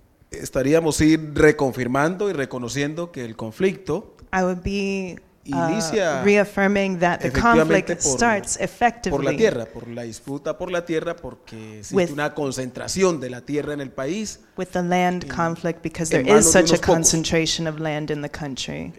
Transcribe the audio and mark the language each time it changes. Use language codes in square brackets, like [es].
[es] estaríamos ir reconfirmando y reconociendo que el conflicto [en] I would be reaffirming that the conflict starts effectively [es] por la tierra, por la disputa por la tierra, porque existe una concentración de la tierra en el país. [en] With the land conflict because there is such a concentration of land in the country.